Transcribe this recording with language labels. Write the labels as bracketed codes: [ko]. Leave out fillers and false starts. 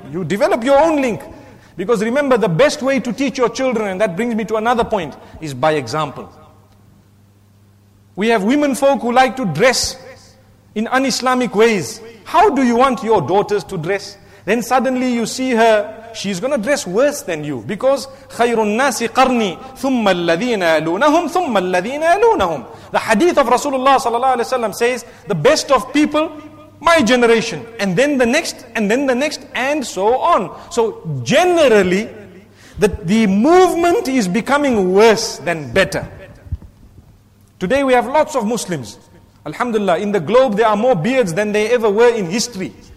[en] You develop your own link. Because remember, the best way to teach your children, and that brings me to another point, is by example. We have women folk who like to dress in un-Islamic ways. How do you want your daughters to dress? Then suddenly you see her, she's going to dress worse than you. Because [ar] خَيْرٌ النَّاسِ قَرْنِي ثُمَّ الَّذِينَ أَلُونَهُمْ ثُمَّ الَّذِينَ أَلُونَهُمْ. [en] The hadith of Rasulullah sallallahu alaihi wasallam says, the best of people, my generation, and then the next, and then the next, and so on. So generally, the movement is becoming worse than better. Today we have lots of Muslims. Alhamdulillah, in the globe there are more beards than they ever were in history.